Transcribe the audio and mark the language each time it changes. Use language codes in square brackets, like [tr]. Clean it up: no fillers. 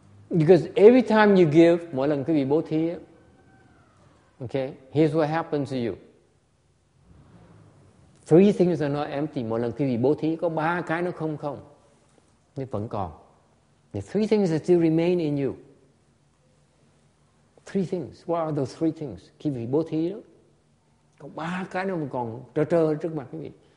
[en] Because every time you give, [vi] mỗi lần quý vị bố thí, [en] okay, here's what happens to you. Three things are not empty. [vi] Mỗi lần quý vị bố thí, có ba cái nó không không. Nó vẫn còn. [en] The three things that still remain in you. Three things. What are those three things? [vi] Khi vị bố thí, có ba cái nó còn trơ trơ trước mặt quý vị.